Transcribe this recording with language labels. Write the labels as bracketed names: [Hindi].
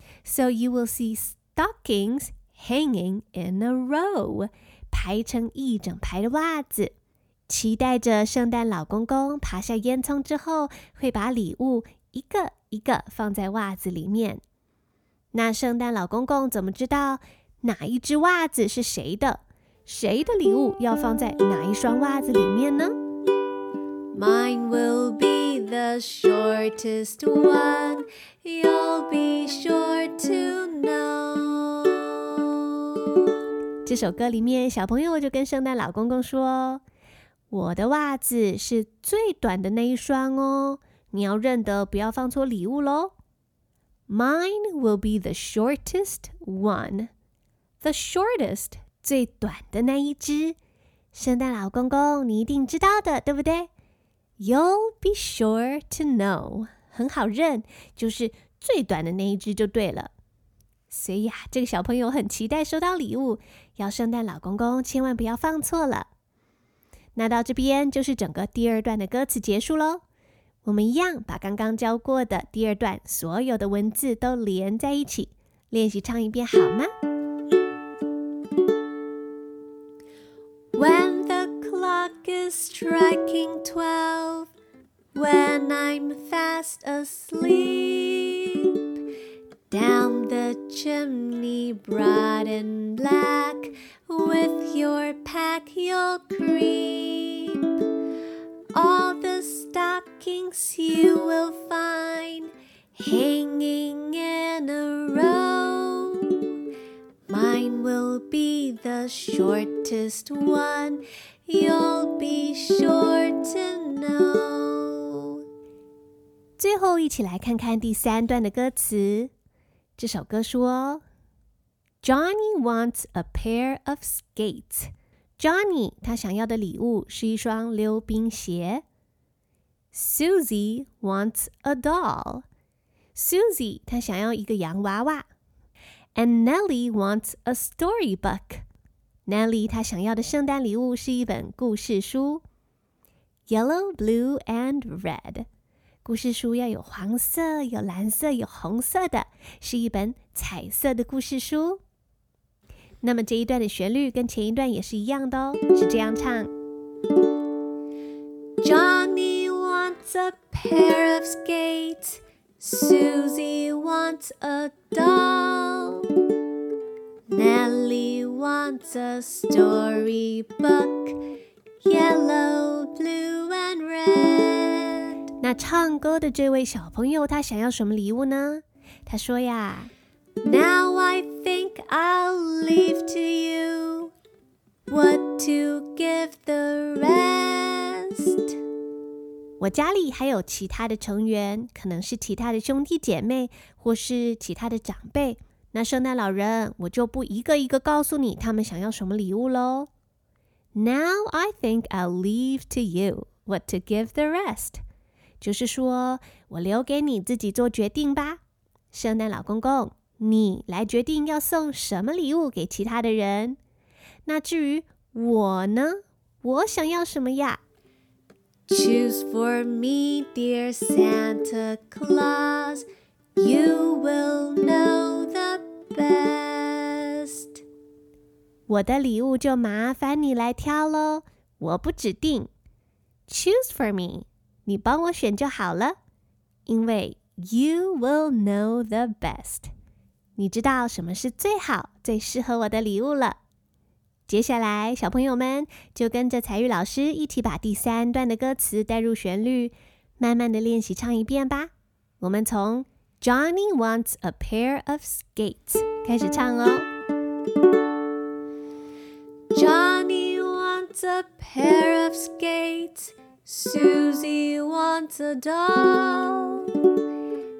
[English] So you will see stockings hanging in a row, [Chinese] 排成一整排的袜子，期待着圣诞老公公爬下烟囱之后，会把礼物一个一个放在袜子里面。那圣诞老公公怎么知道哪一只袜子是谁的？谁的礼物要放在哪一双袜子里面呢？ [English] Mine will be the shortest one,You'll be sure to know。 [Chinese] 这首歌里面小朋友就跟圣诞老公公说，我的袜子是最短的那一双哦，你要认得，不要放错礼物咯。 [English] Mine will be the shortest one, the shortest, [Chinese] 最短的那一只。圣诞老公公你一定知道的，对不对？ [English] You'll be sure to know， [Chinese] 很好认，就是最短的那一只就对了。所以啊，这个小朋友很期待收到礼物，要圣诞老公公千万不要放错了。那到这边就是整个第二段的歌词结束咯。我们一样把刚刚教过的第二段所有的文字都连在一起，练习唱一遍好吗？ [English] When the clock is striking 12,When I'm fast asleep, down the chimney, broad and black, with your pack you'll creep. All the stockings you will find hanging in a row. Mine will be the shortest one, you'll be sure to know. [Chinese] 最后一起来看看第三段的歌词。这首歌说 [English] Johnny wants a pair of skates. [Chinese] Johnny 他想要的礼物是一双溜冰鞋。 [English] Susie wants a doll. [Chinese] Susie 他想要一个洋娃娃。 [English] And Nelly wants a storybook. [Chinese] Nelly 他想要的圣诞礼物是一本故事书。 [English] Yellow, blue, and red. [Chinese] 故事书要有黄色、有蓝色、有红色的，是一本彩色的故事书。那么这一段的旋律跟前一段也是一样的哦，是这样唱。 [English] Johnny wants a pair of skates. Susie wants a doll. Nelly wants a storybook. Yellow, blue, and red. [Chinese] 那唱歌的这位小朋友他想要什么礼物呢？他说呀， [English] Now I think I'll leave to you what to give the rest. [Chinese] 我家里还有其他的成员，可能是其他的兄弟姐妹或是其他的长辈，那圣诞老人我就不一个一个告诉你他们想要什么礼物咯。 [English] Now I think I'll leave to you what to give the rest. [Chinese] 就是说，我留给你自己做决定吧。圣诞老公公，你来决定要送什么礼物给其他的人。那至于我呢？我想要什么呀？ [English] Choose for me, dear Santa Claus. You will know the best. [Chinese] 我的礼物就麻烦你来挑咯，我不指定。 [English] Choose for me, [Chinese] 你帮我选就好了。因为 [English] you will know the best, [Chinese] 你知道什么是最好、最适合我的礼物了。接下来，小朋友们就跟着彩玉老师一起把第三段的歌词带入旋律，慢慢的练习唱一遍吧。我们从 [English] Johnny wants a pair of skates [Chinese] 开始唱哦。 [English] Johnny wants a pair of skates. Susie wants a doll.